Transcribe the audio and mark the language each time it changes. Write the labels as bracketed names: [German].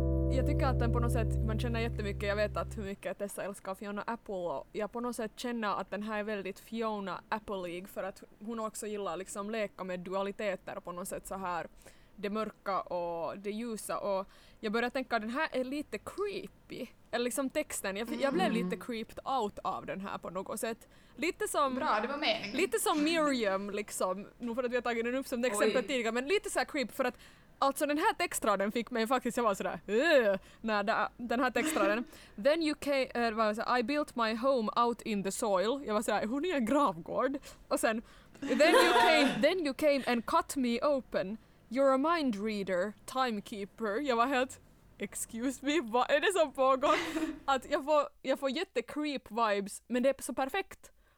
[Swedish] Jag tycker att den på något sätt, man känner jättemycket, jag vet att hur mycket Tessa älskar Fiona Apple, och jag på något sätt känner att den här är väldigt Fiona Apple-ig, för att hon också gillar liksom leka med dualiteter på något sätt så här, det mörka och det ljusa, och jag börjar tänka att den här är lite creepy, eller liksom texten, jag blev lite [English] creeped out [Swedish] av den här på något sätt. Lite som, bra, det var meningen. Lite som Miriam liksom, nu för att vi har tagit den upp som exempel tidigare, men lite så här creep för att alltså den här textraden fick mig faktiskt, jag var sådär, när den här textraden. [English] Then you came, I built my home out in the soil. [Swedish] Jag var sådär, hon är en gravgård. Och sen, [English] then you came and cut me open. You're a mind reader, timekeeper. [Swedish] Jag var helt, [English] excuse me, [Swedish] vad är det som pågår? Att jag får jätte creep vibes, men det är så perfekt.